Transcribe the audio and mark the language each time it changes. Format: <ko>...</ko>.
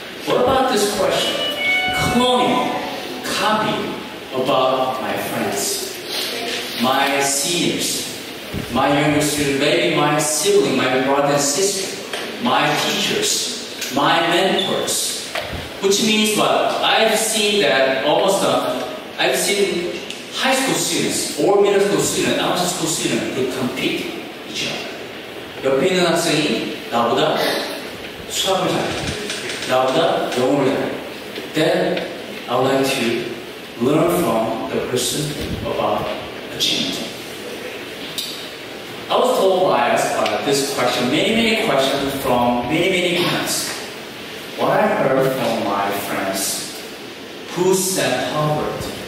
<en>What about this question? Cloning, copy about my friends, my seniors, my younger students, maybe my sibling, my brother and sister, my teachers, my mentors. Which means what? I've seen that almost, I've seen high school students or middle school students, elementary school students, they compete each other.</en> <ko>옆에 있는 학생이 나보다 수학을 잘해. 나보다 영어를 잘해.</ko> <en>Then I would like to learn from the person about achievement. I was told by this question, many questions from many parents. What I heard from my friends, who said Harvard?</en>